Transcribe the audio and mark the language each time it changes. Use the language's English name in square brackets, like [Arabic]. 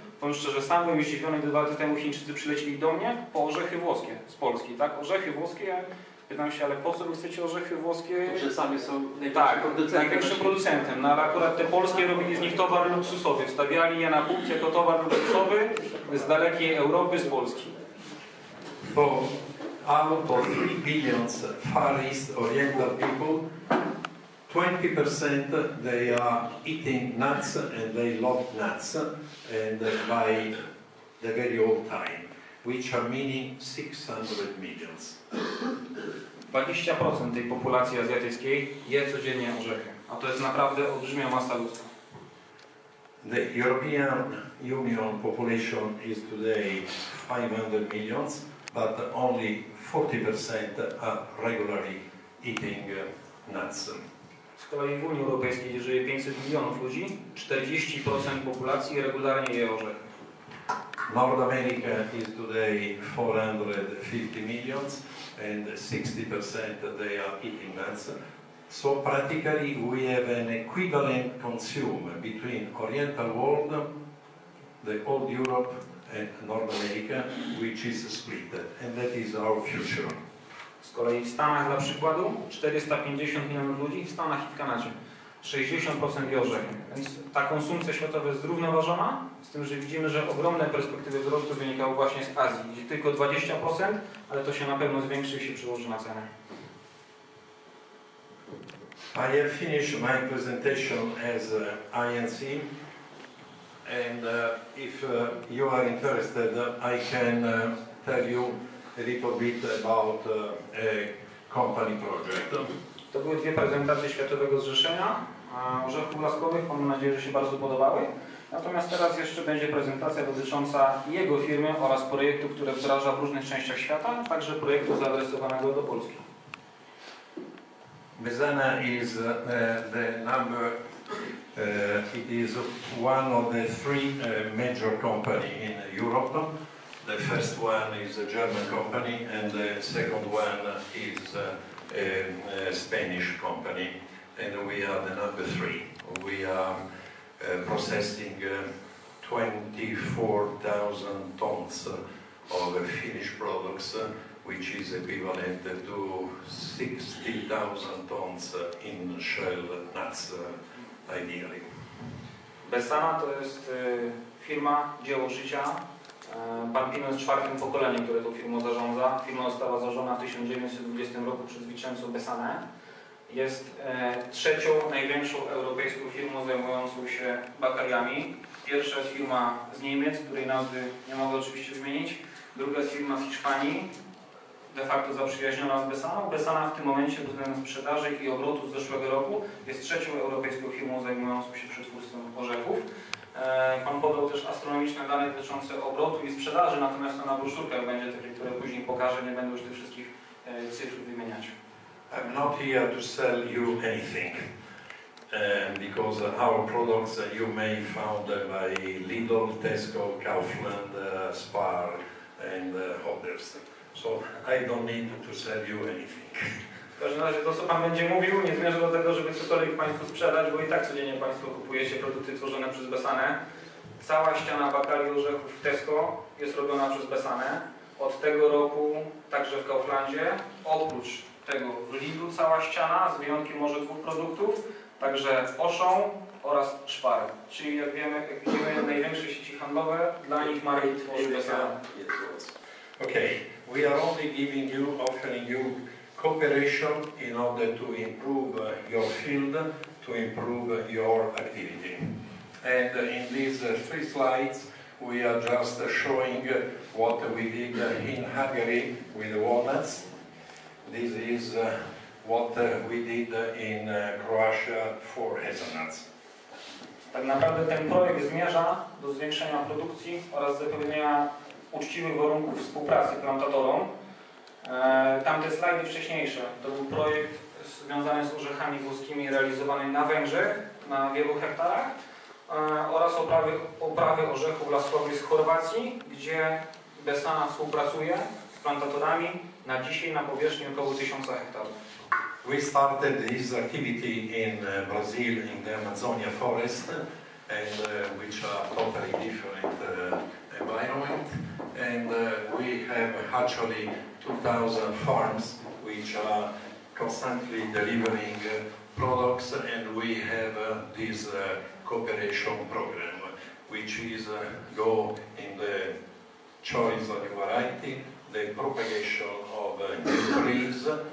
[Polish] Powiem szczerze, sam byłem zdziwiony, gdy dwa lata temu Chińczycy przylecieli do mnie po orzechy włoskie z Polski, tak? Orzechy włoskie, ja pytam się, ale po co wy chcecie orzechy włoskie? To, że sami są największym producentem. No, ale akurat te polskie robili z nich towar luksusowy, wstawiali je na półce jako towar luksusowy z dalekiej Europy, z Polski. [English] Bo out of 3 billion Far East Oriental people, 20% they are eating nuts and they love nuts, and by the very old time, which are meaning 600 million. [Polish] 20% tej populacji azjatyckiej je codziennie orzechy, a to jest naprawdę olbrzymia masa ludzka. [English] The European Union population is today 500 million, but only 40% are regularly eating nuts. [Polish] Z kolei w Unii Europejskiej, gdzie żyje 500 milionów ludzi, 40% populacji regularnie je orzechy. [English] North America is today 450 million and 60% they are eating nuts. So practically we have an equivalent consume between Oriental world, the old Europe and North America, which is split, and that is our future. [Polish] Z kolei w Stanach dla przykładu 450 milionów ludzi, w Stanach i w Kanadzie 60% je orzechy. Więc ta konsumpcja światowa jest zrównoważona, z tym, że widzimy, że ogromne perspektywy wzrostu wynikały właśnie z Azji, gdzie tylko 20%, ale to się na pewno zwiększy i się przełoży na cenę. [English] I have finished my presentation as INC, and if you are interested, I can tell you a little bit about a company project. [Polish] To były dwie prezentacje Światowego Zrzeszenia Orzechów Laskowych. Mam nadzieję, że się bardzo podobały. Natomiast teraz jeszcze będzie prezentacja dotycząca jego firmy oraz projektu, które wdraża w różnych częściach świata, także projektu zaadresowanego do Polski. [English] Bezana is the number, it is one of the three major companies in Europe. The first one is a German company, and the second one is a Spanish company, and we are the number three. We are processing 24,000 tons of finished products, which is equivalent to 60,000 tons in shell nuts, ideally. [Polish] Bezana to jest firma, dzieło życia. Pan Pino jest czwartym pokoleniem, które tą firmą zarządza. Firma została założona w 1920 roku przez Vincenzo Bessanę. Jest trzecią największą europejską firmą zajmującą się bakariami. Pierwsza jest firma z Niemiec, której nazwy nie mogę oczywiście wymienić. Druga jest firma z Hiszpanii, de facto zaprzyjaźniona z Bessaną. Bessana w tym momencie, pod względem sprzedaży i obrotu z zeszłego roku, jest trzecią europejską firmą zajmującą się przetwórstwem orzechów. Pan podał też astronomiczne dane dotyczące obrotu i sprzedaży, natomiast to na broszurkach będzie takie, które później pokażę, nie będę już tych wszystkich cyfr wymieniać. [English] I'm not here to sell you anything, because our products that you may found by Lidl, Tesco, Kaufland, Spar and others. So I don't need to sell you anything. [Polish] W każdym razie to, co Pan będzie mówił, nie zmierza do tego, żeby cokolwiek Państwu sprzedać, bo i tak codziennie Państwo kupujecie produkty tworzone przez Bessanę. Cała ściana bakalii orzechów w Tesco jest robiona przez Bessanę. Od tego roku także w Kauflandzie, oprócz tego w Lidlu cała ściana, z wyjątkiem może dwóch produktów, także Auchan oraz Spar. Czyli jak wiemy, jak widzimy, największe sieci handlowe, dla nich Marii tworzy Bessanę. [English] Okay. We are only giving you, offering you cooperation in order to improve your field, to improve your activity. And in these three slides, we are just showing what we did in Hungary with walnuts. This is what we did in Croatia for hazelnuts. [Polish] Tak naprawdę ten projekt zmierza do zwiększenia produkcji oraz zapewnienia uczciwych warunków współpracy plantatorom. Tamte slajdy wcześniejsze to był projekt związany z orzechami włoskimi realizowany na Węgrzech na wielu hektarach oraz oprawy orzechów laskowych z Chorwacji, gdzie Bessana współpracuje z plantatorami na dzisiaj na powierzchni około 1000 hektarów. [English] We started this activity in Brazil in the Amazonia forest and which are totally different environment. And we have actually 2,000 farms which are constantly delivering products, and we have this cooperation program which is go in the choice of the variety, the propagation of new trees.